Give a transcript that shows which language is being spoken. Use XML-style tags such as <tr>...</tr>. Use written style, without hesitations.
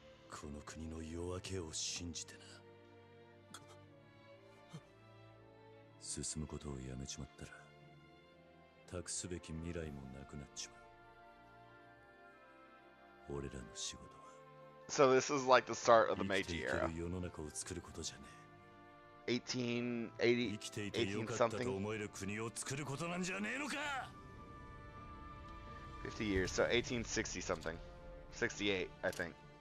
<ja>この国の夜明けを信じてな。進むことをやめちまったら、託すべき未来もなくなっちまう。俺らの仕事は。</ja> <en>So this is like the start of the Meiji era.</en> <ja>生きていける世の中を作ることじゃねえ。</ja> <en>1880、</en> <ja>生きていてよかったと思える国を作ることなんじゃねえのか。</ja> <en>50 years, so 1860 something. 68, I think.</en>